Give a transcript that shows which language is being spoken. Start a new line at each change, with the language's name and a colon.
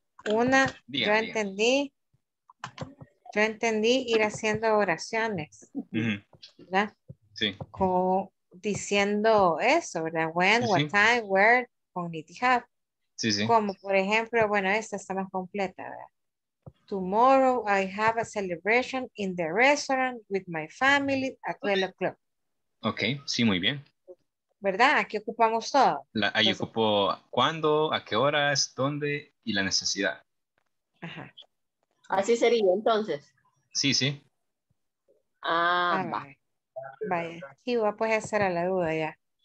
Spanish: Una, bien, yo bien. Yo entendí ir haciendo oraciones. Mm-hmm. ¿Verdad? Sí. Como diciendo eso, ¿verdad? When, sí, what sí.
English: Time, where, con need have.
Spanish: Sí, sí. Como por ejemplo, bueno, esta está más completa, ¿verdad?
English: Tomorrow I have a celebration in the restaurant with my family at 12 o'clock.
Spanish: Ok, sí, muy bien. ¿Verdad? Aquí ocupamos todo. Ahí ocupo cuándo, a qué horas, dónde y la necesidad. Ajá. Así sería entonces. Sí, sí. Ah, va. Vaya, sí, va, pues esa era la duda ya.